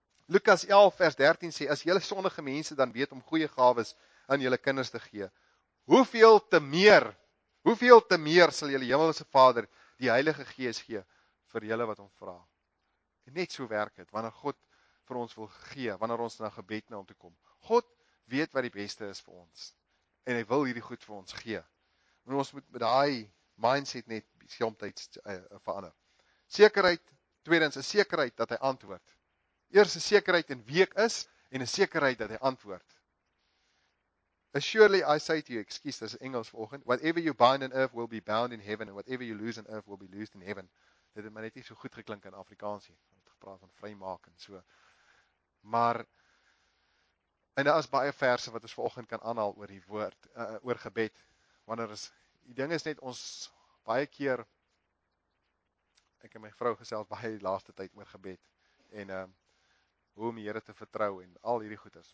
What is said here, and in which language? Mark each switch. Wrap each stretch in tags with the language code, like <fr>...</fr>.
<af>Lukas 11 vers 13 sê, as julle sondige mense dan weet om goeie gawes aan julle kinders te gee, hoeveel te meer sal julle hemelse Vader die Heilige Gees gee vir julle wat hom vra. En net so werk dit, wanneer God vir ons wil gee, wanneer ons na gebed na hom toe kom. God weet wat die beste is vir ons en hy wil hierdie goed vir ons gee. En ons moet met daai mindset net soms verander. Sekerheid, tweedens 'n sekerheid dat hy antwoord. Eers 'n sekerheid in wie ek is en 'n sekerheid dat hy antwoord.</af> <en>Surely I say to you, excuse this</en> <af>Engels vanoggend,</af> <en>whatever you bind on earth will be bound in heaven and whatever you loose on earth will be loosed in heaven.</en> <af>Dit het maar net nie so goed geklink in Afrikaans nie. Ons het gepraat van vrymaak en so. Maar en daar is baie verse wat ons vanoggend kan aanhaal oor die woord, oor gebed. Wanneer is die ding is net ons baie keer ek en my vrou gesels baie die laaste tyd oor gebed en hoe om die Here te vertrou en al hierdie goeders.</af>